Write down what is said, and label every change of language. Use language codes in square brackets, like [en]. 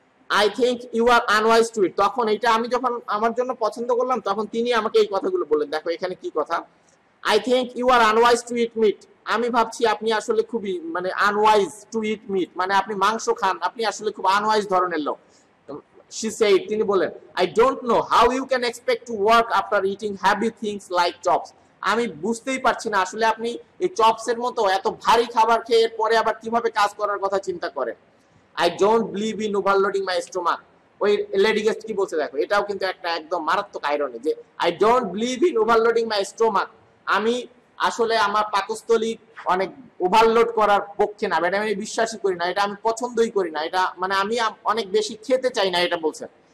[en] I think you are unwise to eat, [bn] তখন এটা আমি যখন আমার জন্য পছন্দ করলাম তখন তিনি আমাকে এই কথাগুলো বললেন। দেখো এখানে কি কথা, [en] I think you are unwise to eat meat, [bn] আমি ভাবছি আপনি আসলে খুবই মানে আনওয়াইজ টু ইট মিট, মানে আপনি মাংস খান, আপনি আসলে খুব আনওয়াইজ ধরনের লোক। [en] She said, [bn] তিনি বলেন, [en] I don't know how you can expect to work after eating heavy things like chops. [bn] আমি বুঝতেই পারছি না আসলে আপনি এই চপসের মতো এত ভারী খাবার খেয়ে পরে আবার কিভাবে কাজ করার কথা চিন্তা করেন। [en] I don't believe in overloading my stomach. [bn] ওই লেডি গেস্ট কি বলছে দেখো, এটাও কিন্তু একটা একদম মারাত্মক আইরনি যে [en] I don't believe in overloading my stomach. [bn] আমি আসলে আমার পাকস্থলী অনেক ওভারলোড করার পক্ষে না, এটা আমি বিশ্বাসই করি না, এটা আমি পছন্দই করি না, এটা মানে আমি অনেক বেশি খেতে চাই না, এটা বলছেন।